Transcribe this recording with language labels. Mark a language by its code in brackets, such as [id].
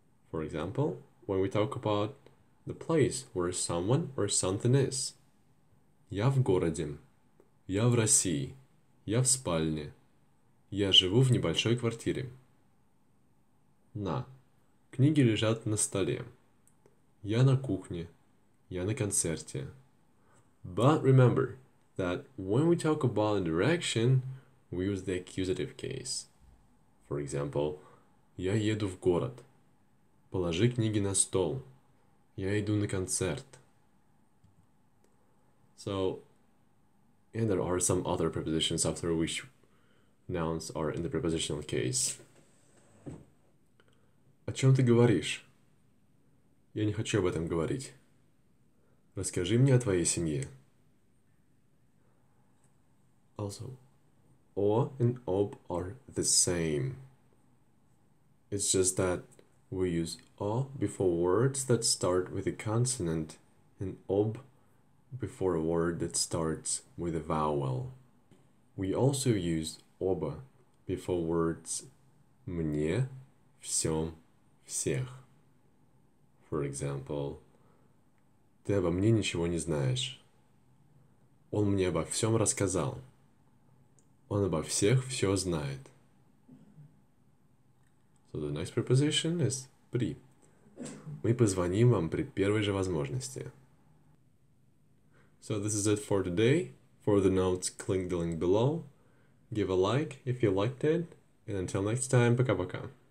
[en] For example, when we talk about the place where someone or something is. [ru] Я в городе. Я в России. Я в спальне. Я живу в небольшой квартире. На. Книги лежат на столе. Я на кухне. Я на концерте. [en] But remember that when we talk about a direction, we use the accusative case. For example, [ru] я еду в город. Положи книги на стол. Я иду на концерт. [en] So, and there are some other prepositions after which nouns are in the prepositional case. [ru] О чем ты говоришь? Я не хочу об этом говорить. Расскажи мне о твоей семье. [en] Also, о and об are the same. It's just that we use о before words that start with a consonant and об before a word that starts with a vowel. We also use оба before words мне, всем, всех. For example, [ru] ты обо мне ничего не знаешь. Он мне обо всем рассказал. Он обо всех все знает. [en] So the next preposition is при. [ru] Мы позвоним вам при первой же возможности. [en] So this is it for today. For the notes, click the link below. Give a like if you liked it. And until next time, [ru] пока-пока.